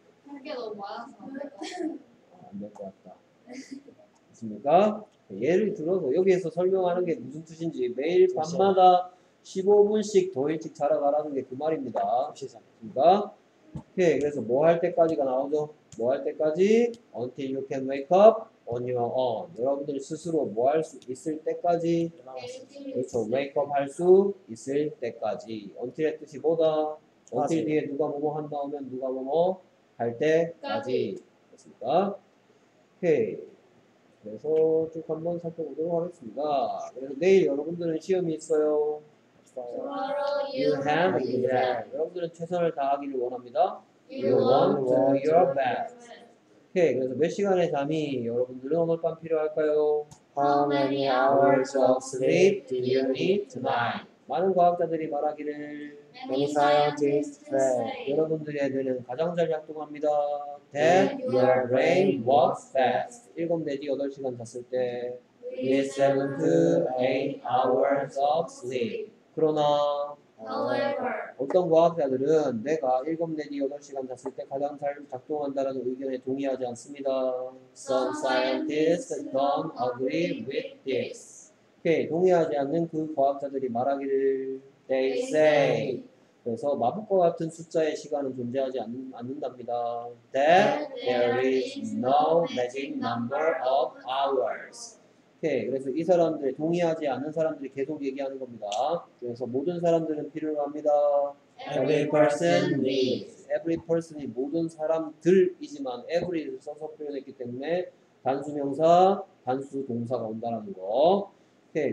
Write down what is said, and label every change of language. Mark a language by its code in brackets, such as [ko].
[ko] 그게 너무 많아서 안 될 것 같다. 맞습니까? 예를 들어서 여기에서 설명하는 게 무슨 뜻인지 매일 밤마다 15분씩 더 일찍 자러 가라는 게 그 말입니다. 그렇습니까? 오케이. 그래서 뭐 할 때까지가 나오죠? 뭐 할 때까지? [en] Until you can wake up on your own. [ko] 여러분들 스스로 뭐 할 수 있을 때까지? 그렇죠. [en] Wake up [ko] 할 수 있을 때까지. Until의 뜻이 뭐다? 언틸 뒤에 누가 뭐뭐 한다 하면 누가 뭐뭐 할 때까지. 됐습니까? 오케이. 그래서 쭉 한번 살펴보도록 하겠습니다. 그래서 내일 여러분들은 시험이 있어요. [en] Tomorrow you have an exam. [ko] 여러분들은 최선을 다하기를 원합니다. [en] You want to do your best. [ko] 오케이. 그래서 몇 시간의 잠이 여러분들은 오늘 밤 필요할까요? [en] How many hours of sleep do you need tonight? [ko] 많은 과학자들이 말하기를 [en] Many scientists say [ko] 여러분들의 뇌는 가장 잘 작동합니다. [en] That your brain works best. [ko] 7, 4, 8시간 잤을 때 [en] With 7 to 8 hours of sleep. [ko] 그러나 [en] However [ko] 어떤 과학자들은 내가 7, 4, 8시간 잤을 때 가장 잘 작동한다는 의견에 동의하지 않습니다. [en] Some scientists don't agree with this. [ko] 동의하지 않는 그 과학자들이 말하기를 [en] They say [ko] 그래서 마법과 같은 숫자의 시간은 존재하지 않는답니다. [en] That there is no magic number of hours. [ko] 오케이. 그래서 이 사람들이 동의하지 않는 사람들이 계속 얘기하는 겁니다. 그래서 모든 사람들은 필요로 합니다. [en] Every person needs. Every person [ko] 이 모든 사람들이지만 every를 써서 표현했기 때문에 단수명사, 단수동사가 온다는 거. 오케이.